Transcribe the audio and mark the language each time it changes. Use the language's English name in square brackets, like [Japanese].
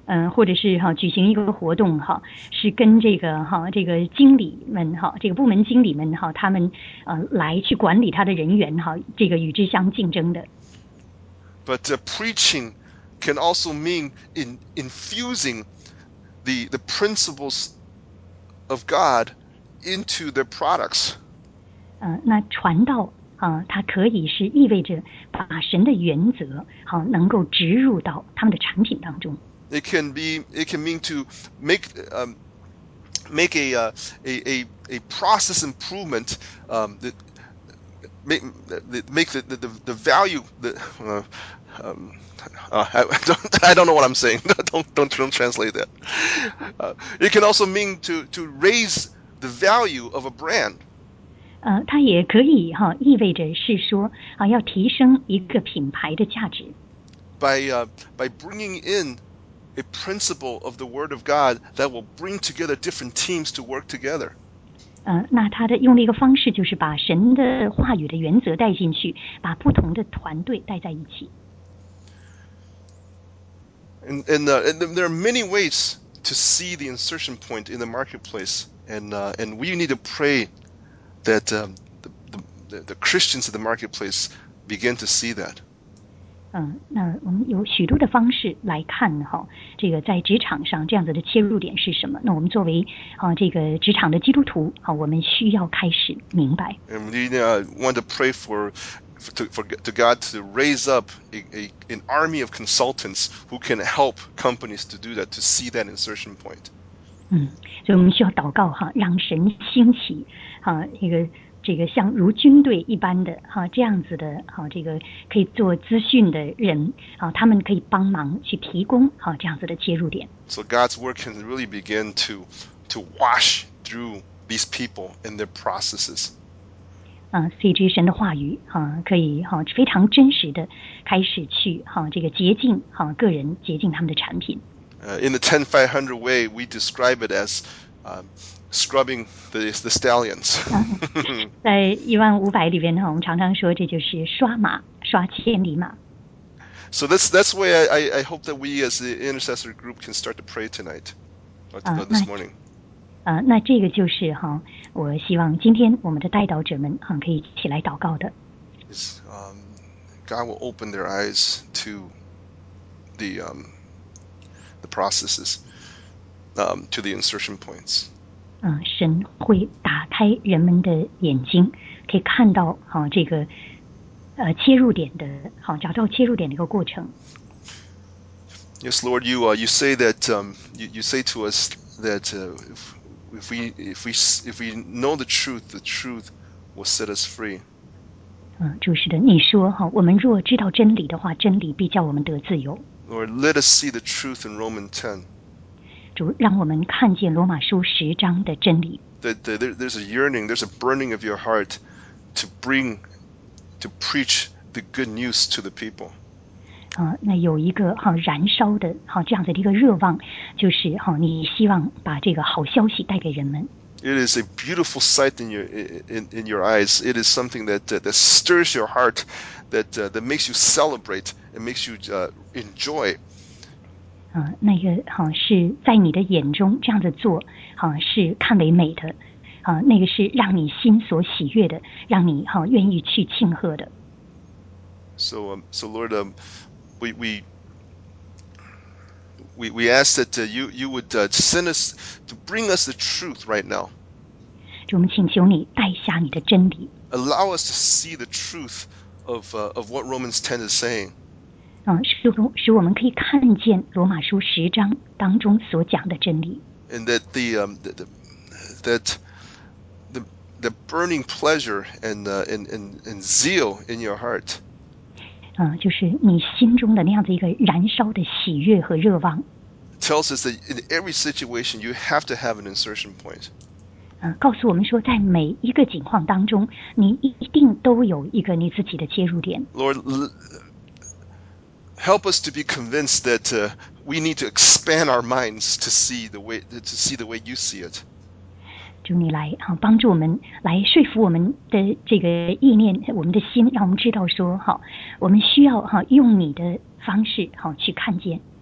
[Chinese] 或者是哈举行一个活动哈，是跟这个哈这个经理们哈这个部门经理们哈他们来去管理他的人员哈这个与之相竞争的。 [English] But preaching can also mean in infusing the principles of God into their products. [Chinese] 那传道。它可以是意味着把神的原则，能够植入到他们的产品当中。 [English] It can be, it can mean to make make a process improvement that make the value, I don't know what I'm saying, don't translate that. It can also mean to raise the value of a brand. [Chinese] 它也可以哈，意味着是说啊，要提升一个品牌的价值。 [English] By bringing in a principle of the Word of God that will bring together different teams to work together. [Chinese] 那它的用的一个方式就是把神的话语的原则带进去，把不同的团队带在一起。 [English] And there are many ways to see the insertion point in the marketplace, and we need to pray that the Christians in the marketplace begin to see that. [Chinese] 那我们有许多的方式来看哈，这个在职场上这样子的切入点是什么？那我们作为这个职场的基督徒啊，我们需要开始明白。 [English] And we want to pray for God to raise up an army of consultants who can help companies to do that, to see that insertion point. [Chinese] 所以我们需要祷告哈，让神兴起哈，这个像如军队一般的哈，这样子的哈，这个可以做资讯的人啊，他们可以帮忙去提供哈这样子的切入点。 [English] So God's work can really begin to wash through these people and their processes. [Chinese] 所以这神的话语可以非常真实的开始去这个洁净个人，洁净他们的产品。 [English] In the 10-500 way, we describe it as scrubbing the stallions. [Chinese] 在一万五百里边我们常常说这就是刷马，刷千里马。 [English] So that's why I hope that we as the intercessor group can start to pray tonight, this morning. [Chinese] 那这个就是我希望今天我们的代祷者们可以起来祷告的。 [English] God will open their eyes to the processes, to the insertion points. [Chinese] 神会打开人们的眼睛，可以看到这个切入点的找到切入点的一个过程。 [English] Yes, Lord, you say that you say to us that if we know the truth will set us free. [Chinese] 主是的，你说我们若知道真理的话，真理必叫我们得自由。 [English] Lord, let us see the truth in Romans 10. [Chinese] 让我们看见罗马书十章的真理。 [English] There's a yearning, there's a burning of your heart to preach the good news to the people. [Chinese] 那有一个燃烧的这样的一个热望，就是你希望把这个好消息带给人们。 [English] It is a beautiful sight in your eyes. It is something that stirs your heart, that makes you celebrate, it makes you enjoy. [Chinese] 那个是在你的眼中这样子做是看为美的那个是让你心所喜悦的，让你愿意去庆贺的。 [English] So Lord, we ask that you would send us to bring us the truth right now. [Chinese] 主，我们请求你带下你的真理。 [English] Allow us to see the truth of what Romans 10 is saying. [Chinese] 使我们可以看见罗马书十章当中所讲的真理。 [English] And that the burning pleasure and zeal in your heart. [Chinese] 就是你心中的那样子一个燃烧的喜悦和热望。 [English] Tells us that in every situation you have to have an insertion point. [Chinese] 告诉我们说，在每一个情况当中，你一定都有一个你自己的切入点。 [English] Lord. Help us to be convinced that we need to expand our minds to see the way you see it. [Chinese] 主，你来帮助我们，来说服我们的这个意念，我们的心，让我们知道说我们需要用你的方式去看见。